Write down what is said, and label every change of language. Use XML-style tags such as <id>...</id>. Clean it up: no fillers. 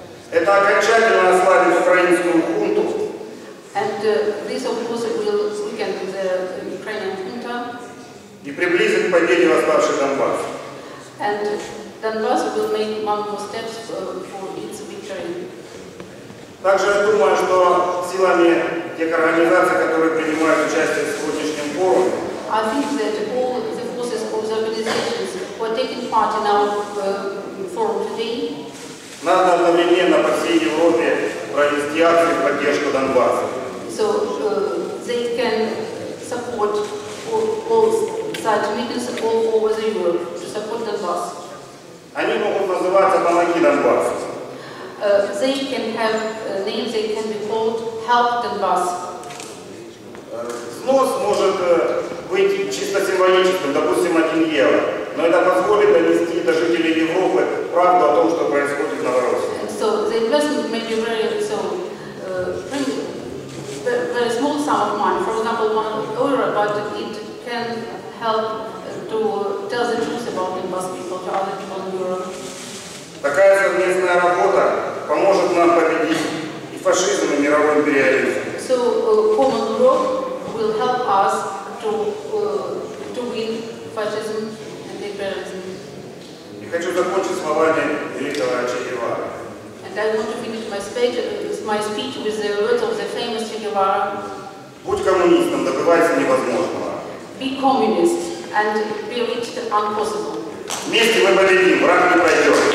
<ru>Это окончательно ослабит украинскую хунту.</ru> <en>And this of course will weaken the Ukrainian junta.</en> <ru>И приблизит падение восставших Донбасс.</ru> <en>And Donbass will make one more steps for its victory.</en> <ru>Также я думаю, что силами тех организаций, которые принимают участие в сегодняшнем форуме,</ru> <en>I think that all the forces of the organizations who are taking part in our forum today,</en> <ru>надо одновременно по всей Европе провести акции в поддержку Донбасса.</ru> <en>So they can support all such meetings all over the Europe to support Donbass.</en> <ru>Они могут называться «Помоги Донбассу».</ru> <en>They can have names. They can be called "Help Donbass".</en> <ru>Взнос может выйти чисто символическим, допустим, 1 евро, но это позволит донести до жителей Европы правду о том, что происходит в Новороссии.</ru> <en>So the investment may be very so very small sum of money, for example, 1 euro, but it can help to tell the truth about Donbass people to other people in Europe.</en> <ru>Такая совместная работа поможет нам победить и фашизм, и мировой империализм.</ru> <en>So common work will help us to win fascism and imperialism.</en> <ru>И хочу закончить словами великого Че Гевары.</ru> <en>And I want to finish my speech with the words of the famous Че Гевара.</en> <ru>Будь коммунистом, добивайся невозможного.</ru> <en>Be communist and be rich the impossible.</en> <ru>Вместе мы победим, враг не пройдет.</ru>